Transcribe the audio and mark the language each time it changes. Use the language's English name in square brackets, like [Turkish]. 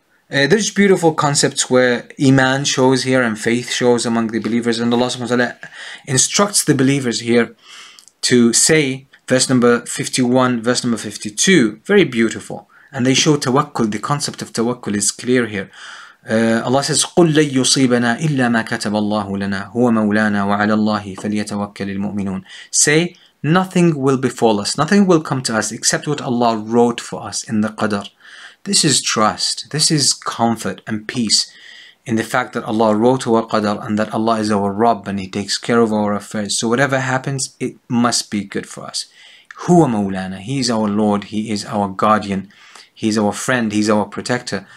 [English] There's beautiful concepts where Iman shows here and faith shows among the believers, and Allah subhanahu wa ta'ala instructs the believers here to say, verse number 51, verse number 52, very beautiful. And they show tawakkul. The concept of tawakkul is clear here. Allah says, [Arabic] قُلْ لَنْ يُصِيبَنَا إِلَّا مَا كَتَبَ اللَّهُ لَنَا هُوَ مَوْلَانَا وَعَلَى اللَّهِ فَلْيَتَوَكَّلِ الْمُؤْمِنُونَ. [English] Say, nothing will befall us, nothing will come to us except what Allah wrote for us in the qadr. This is trust, this is comfort and peace in the fact that Allah wrote our qadr and that Allah is our Rabb and He takes care of our affairs. So whatever happens, it must be good for us. Huwa Mawlana, He is our Lord, He is our guardian, He is our friend, He is our protector.